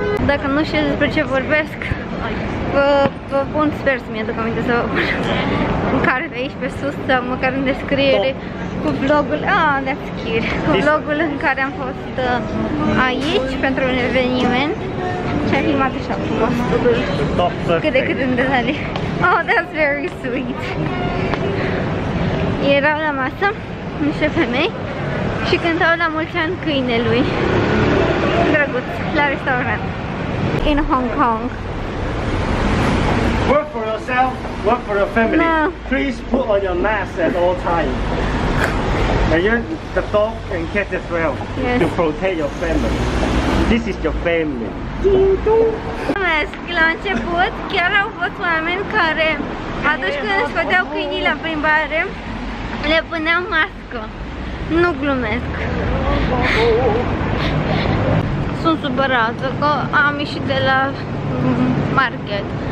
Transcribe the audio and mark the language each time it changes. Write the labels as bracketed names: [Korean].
[Romanian] Dacă nu știu despre ce vorbesc, vă pun, sper să-mi aduc aminte să vă pun în care de aici pe sus sau măcar în descriere cu vlogul, [English] that's cute, [Romanian] cu vlogul în care am fost aici pentru un eveniment și am filmat așa cu postul cât de cât în detalii. [English] Oh, that's very sweet. [Romanian] Erau la masă niște femei și cântau la mulți ani câinelui drăguț la restaurant in Hong Kong. [English] Work for yourself, work for your family. No. Please put on your mask at all times. And you, the dog and cat as well. Yes. To protect your family. This is your family. [Romanian] Mask la început, chiar au fost oameni care atunci când își făteau câinii la plimbare, le puneau mască. Nu glumesc. Sunt supărată că am ieșit de la market.